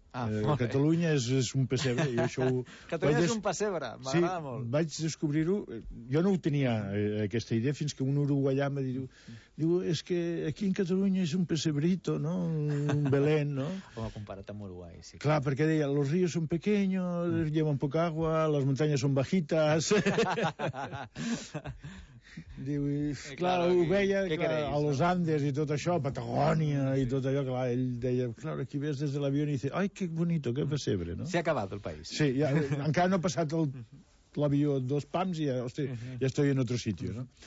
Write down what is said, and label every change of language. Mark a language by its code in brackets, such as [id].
[ca] Catalunya és un pessebre. Catalunya és un pessebre, m'agrada sí, molt. Vaig descobrir-ho, jo no ho tenia aquesta idea, fins que un uruguaià em diu, és que aquí en Catalunya és un pessebrito, no? Un Belén, no? Com ha comparat amb Uruguai, sí. Clar, perquè deia, [es] los ríos son pequeños, llevan poca agua, las montañas son bajitas... [ca] Diu, clar, ho veia, [es] a los Andes [ca] i tot això, Patagònia i tot allò, clar, ell deia, clar, aquí ves des de l'avió i [es] dice, ai, que bonito, [ca] que pessebre, no? S'ha acabat el país. Sí, ja, encara no ha passat l'avió dos pams i ja, hosti, ja [es] estoy en otro sitio, [ca] no?